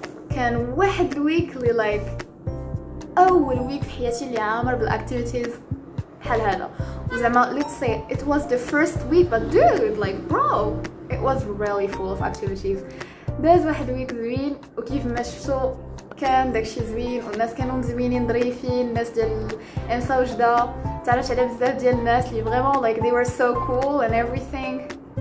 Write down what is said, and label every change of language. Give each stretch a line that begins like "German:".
Arabic: كان واحد الويك اللي like أول ويك في حياتي اللي عامر بالأكتيفيتيز حال هذا.
English: زعما let's say it was the first week, but dude, like bro, it was really full of activities.
Arabic: داز واحد الويك زوين وكيف ما شفتو كان داكشي زوين والناس كانوا مزوينين ظريفين, الناس ديال إنسا وجدا تعرفت على بزاف ديال الناس اللي فريمون
English: like they were so cool and everything.